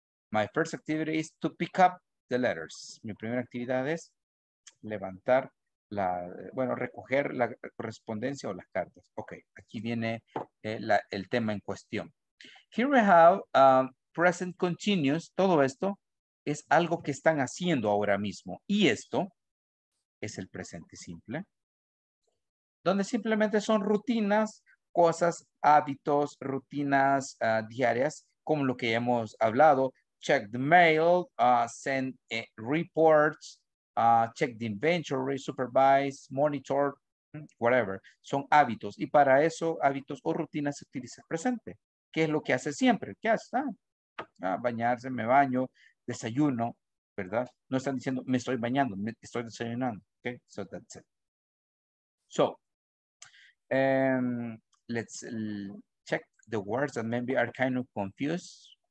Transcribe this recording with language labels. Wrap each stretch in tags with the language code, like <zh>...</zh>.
<en>My first activity is to pick up the letters.</en> <es>Mi primera actividad es levantar la, bueno, recoger la correspondencia o las cartas. Ok, aquí viene el tema en cuestión.</es> <en>Here we have present continuous.</en> <es>Todo esto es algo que están haciendo ahora mismo. Y esto es el presente simple, donde simplemente son rutinas, cosas, hábitos, rutinas diarias, como lo que ya hemos hablado.</es> <en>Check the mail, send reports. Check the inventory, supervise, monitor, whatever.</en> <es>Son hábitos. Y para eso, hábitos o rutinas se utiliza el presente. ¿Qué es lo que hace siempre? ¿Qué hace? Bañarse, me baño, desayuno, ¿verdad? No están diciendo, me estoy bañando, me estoy desayunando.</es> <en>Okay, so that's it. So, let's check the words that maybe are kind of confused.</en>